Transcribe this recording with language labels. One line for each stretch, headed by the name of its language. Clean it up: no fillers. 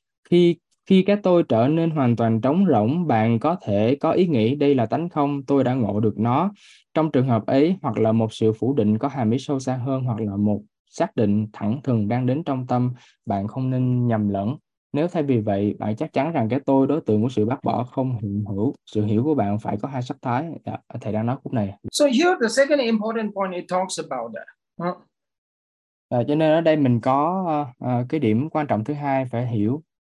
Vietnamese: Khi cái tôi trở nên hoàn toàn trống rỗng, bạn có thể có ý nghĩ đây là tánh không, tôi đã ngộ được nó. Trong trường hợp ấy, hoặc là một sự phủ định có hàm ý sâu xa hơn, hoặc là một xác định thẳng thừng đang đến trong tâm, bạn không nên nhầm lẫn. Nếu thay vì vậy, bạn chắc chắn rằng cái tôi đối tượng của sự bác bỏ không hiện hữu. Sự hiểu của bạn phải có hai sắc thái. Thầy đang nói khúc này.
English: So here the second important point it talks about that. Huh?
Vietnamese: Cho nên ở đây mình có cái điểm quan trọng thứ hai phải hiểu.